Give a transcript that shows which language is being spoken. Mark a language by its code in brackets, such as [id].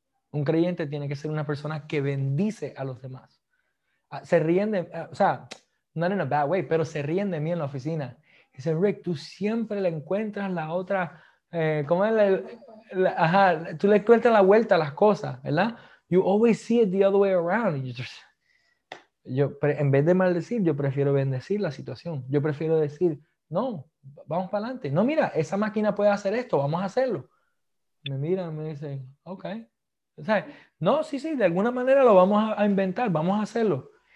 [es] Un creyente tiene que ser una persona que bendice a los demás. Se ríen de, o sea, [en] not in a bad way, [es] pero se ríen de mí en la oficina. Dice, Rick, tú siempre le encuentras la otra, ¿cómo es? Tú le encuentras la vuelta a las cosas, ¿verdad? [en] You always see it the other way around. [es] Yo, en vez de maldecir, yo prefiero bendecir la situación. Yo prefiero decir, no, vamos para adelante. No, mira, esa máquina puede hacer esto, vamos a hacerlo. Me miran, me dicen, ok. O sea, no, sí, de alguna manera lo vamos a inventar, vamos a hacerlo.